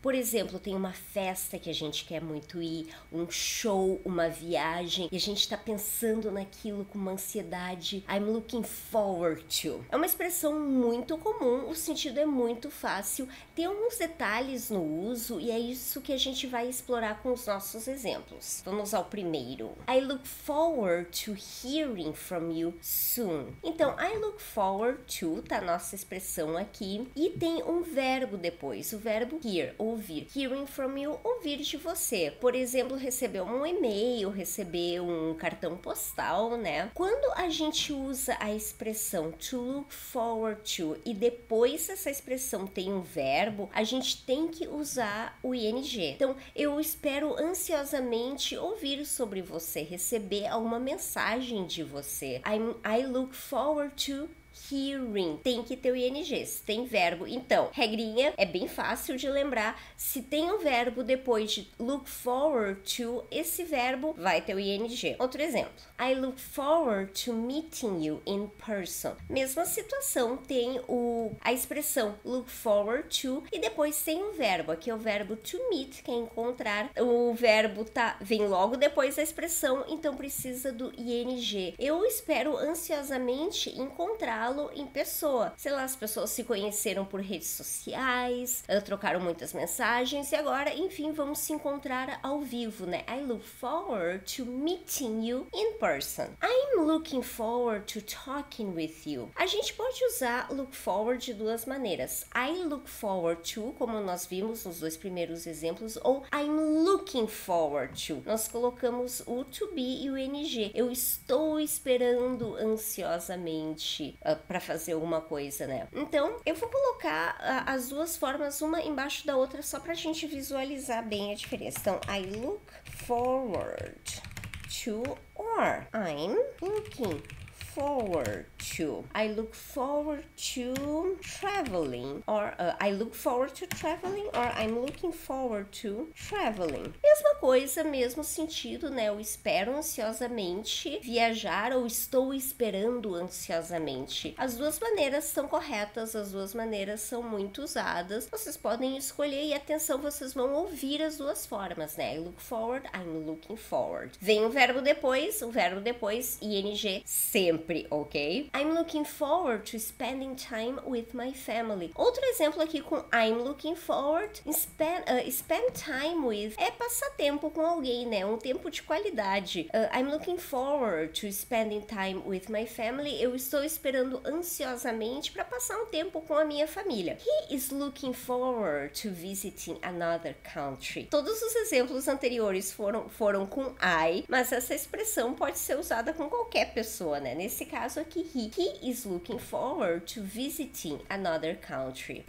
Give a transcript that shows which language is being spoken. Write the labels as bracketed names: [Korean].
[Portuguese] Por exemplo, tem uma festa que a gente quer muito ir, um show, uma viagem, e a gente tá pensando naquilo com uma ansiedade, [English] I'm looking forward to. [Portuguese] É uma expressão muito comum, o sentido é muito fácil, tem alguns detalhes no uso e é isso que a gente vai explorar com os nossos exemplos. Vamos ao primeiro. [English] I look forward to hearing from you soon. [Portuguese] Então, [English] I look forward to, [Portuguese] tá a nossa expressão aqui, e tem um verbo depois, o verbo hear, ouvir. [English] Hearing from you, [Portuguese] ouvir de você. Por exemplo, receber um e-mail, receber um cartão postal, né? Quando a gente usa a expressão to look forward to e depois essa expressão tem um verbo, a gente tem que usar o ing. Então, eu espero ansiosamente ouvir sobre você, receber alguma mensagem de você. [English] I look forward to hearing. [Portuguese] Tem que ter o ing, se tem verbo. Então, regrinha, é bem fácil de lembrar. Se tem um verbo depois de look forward to, esse verbo vai ter o ing. Outro exemplo. [English] I look forward to meeting you in person. [Portuguese] Mesma situação, tem a expressão look forward to e depois tem um verbo. Aqui é o verbo to meet, que é encontrar. O verbo vem logo depois da expressão, então precisa do ing. Eu espero ansiosamente encontrar em pessoa. Sei lá, as pessoas se conheceram por redes sociais, trocaram muitas mensagens e agora, enfim, vamos se encontrar ao vivo, né? [English] I look forward to meeting you in person. I'm looking forward to talking with you. [Portuguese] A gente pode usar look forward de duas maneiras. [English] I look forward to, [Portuguese] como nós vimos nos dois primeiros exemplos, ou [English] I'm looking forward to. [Portuguese] Nós colocamos o to be e o ing. Eu estou esperando ansiosamente para fazer alguma coisa, né? Então, eu vou colocar as duas formas, uma embaixo da outra, só pra gente visualizar bem a diferença. [English] Então, I look forward to, or I'm looking forward to. I look forward to traveling, or I look forward to traveling, or I'm looking forward to traveling. [Portuguese] Mesma coisa, mesmo sentido, né? Eu espero ansiosamente viajar ou estou esperando ansiosamente. As duas maneiras são corretas, as duas maneiras são muito usadas. Vocês podem escolher e atenção, vocês vão ouvir as duas formas, né? [English] I look forward, I'm looking forward. [Portuguese] Vem o verbo depois, ing, sempre. Ok? [English] I'm looking forward to spending time with my family. [Portuguese] Outro exemplo aqui com [English] I'm looking forward, [Portuguese] spend time with é passar tempo com alguém, né? Um tempo de qualidade. [English] I'm looking forward to spending time with my family. [Portuguese] Eu estou esperando ansiosamente para passar um tempo com a minha família. [English] He is looking forward to visiting another country. [Portuguese] Todos os exemplos anteriores foram com I, mas essa expressão pode ser usada com qualquer pessoa, né? Nesse caso aqui, [English] he is looking forward to visiting another country.